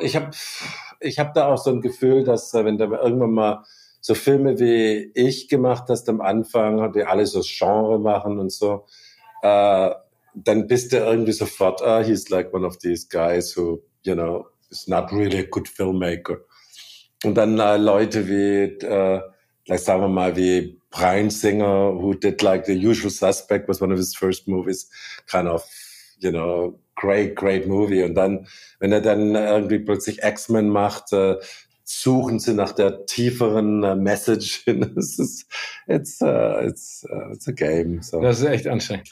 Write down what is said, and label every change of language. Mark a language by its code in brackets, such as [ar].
[de] Ich hab da auch so ein Gefühl, dass wenn da irgendwann mal so Filme wie ich gemacht hast am Anfang, die alle so Genre machen und so, dann bist du irgendwie sofort, [en] he's like one of these guys who, you know, is not really a good filmmaker. [de] Und dann Leute wie, [en] like, [de] sagen wir mal, wie [en] Bryan Singer, who did like The Usual Suspect, was one of his first movies, kind of, you know, great, great movie. [de] Und dann, wenn er dann irgendwie plötzlich X-Men macht, suchen sie nach der tieferen Message. [en] it's a game. So. [de] Das ist echt anstrengend.